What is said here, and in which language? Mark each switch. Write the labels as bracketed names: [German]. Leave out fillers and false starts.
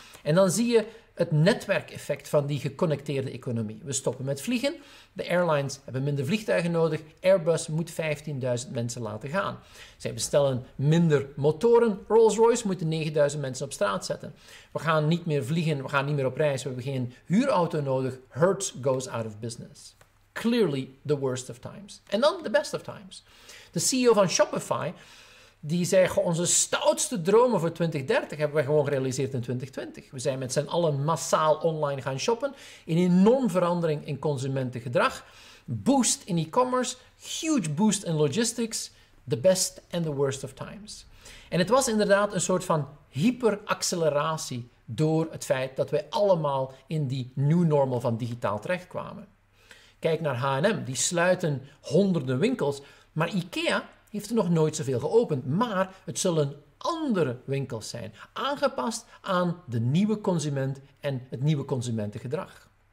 [Dutch] En dan zie je het netwerkeffect van die geconnecteerde economie. We stoppen met vliegen. De airlines hebben minder vliegtuigen nodig. Airbus moet 15.000 mensen laten gaan. Zij bestellen minder motoren. Rolls-Royce moet 9.000 mensen op straat zetten. We gaan niet meer vliegen. We gaan niet meer op reis. We hebben geen huurauto nodig. [English] Hertz goes out of business. Clearly the worst of times. [Dutch] En dan [English] the best of times. [Dutch] De CEO van Shopify die zei, onze stoutste dromen voor 2030 hebben we gewoon gerealiseerd in 2020. We zijn met z'n allen massaal online gaan shoppen. Een enorm verandering in consumentengedrag. Boost in e-commerce. [English] Huge boost in logistics. The best and the worst of times. [Dutch] En het was inderdaad een soort van hyperacceleratie door het feit dat wij allemaal in die [English] new normal [Dutch] van digitaal terechtkwamen. Kijk naar H&M, die sluiten honderden winkels. Maar IKEA heeft er nog nooit zoveel geopend. Maar het zullen andere winkels zijn. Aangepast aan de nieuwe consument en het nieuwe consumentengedrag.